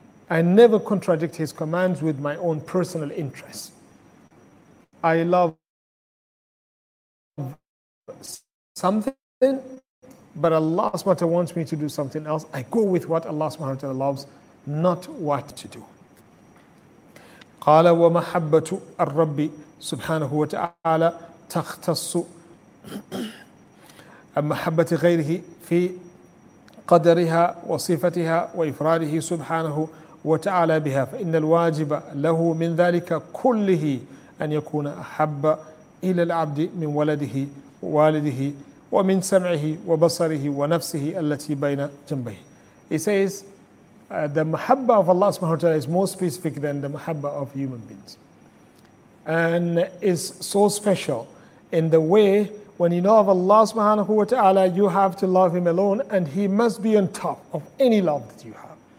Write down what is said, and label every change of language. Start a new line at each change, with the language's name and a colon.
English: I never contradict His commands with my own personal interests. I love something, but Allah subhanahu wa ta'ala wants me to do something else. I go with what Allah subhanahu wa ta'ala loves, not what to do.
Arabic: قال ومحبة الرب سبحانه وتعالى تختص محبة غيره في قدرها وصفتها وإفراده سبحانه وتعالى بها فإن الواجب له من ذلك كله أن يكون أحب إلى العبد من ولده والده ومن سمعه وبصره ونفسه التي بين جنبيه.
English: He says, the mahabba of Allah subhanahu wa ta'ala is more specific than the mahabba of human beings. And is so special in the way when you know of Allah subhanahu wa ta'ala, you have to love Him alone, and He must be on top of any love that you have.